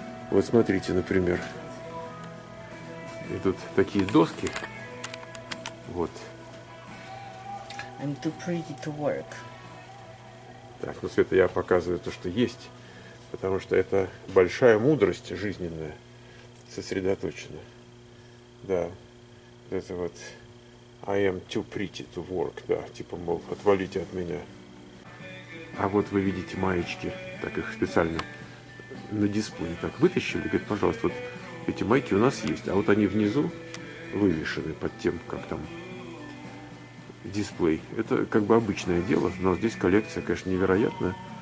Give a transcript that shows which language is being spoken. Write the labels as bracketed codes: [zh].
[ru] Вот смотрите, например. И тут такие доски. Вот. [en] I'm too pretty to work. [ru] Так, ну, Света, я показываю то, что есть. Потому что это большая мудрость жизненная. Сосредоточено. Да. Это вот [en] I am too pretty to work, [ru] да. Типа, мол, отвалите от меня. А вот вы видите маечки. Так их специально на дисплее так вытащили. Говорит, пожалуйста, вот эти майки у нас есть. А вот они внизу вывешены под тем, как там дисплей. Это как бы обычное дело, но здесь коллекция, конечно, невероятная.